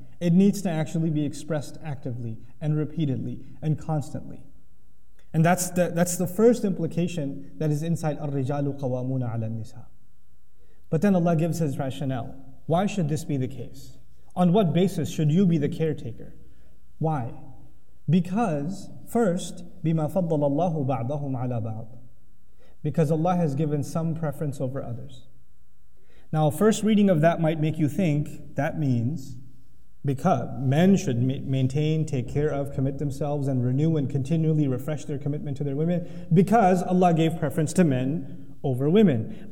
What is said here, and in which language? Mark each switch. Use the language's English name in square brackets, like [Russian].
[English] It needs to actually be expressed actively and repeatedly and constantly. And that's the first implication that is inside [Arabic] الرِّجَالُ قَوَامُونَ عَلَى النِّسَىٰ. [English] But then Allah gives His rationale. Why should this be the case? On what basis should you be the caretaker? Why? Because, first, [Arabic] بِمَا فَضَّلَ اللَّهُ بَعْضَهُمْ عَلَى بَعْضٍ. [English] Because Allah has given some preference over others. Now, first reading of that might make you think that means because men should maintain, take care of, commit themselves, and renew and continually refresh their commitment to their women because Allah gave preference to men over women.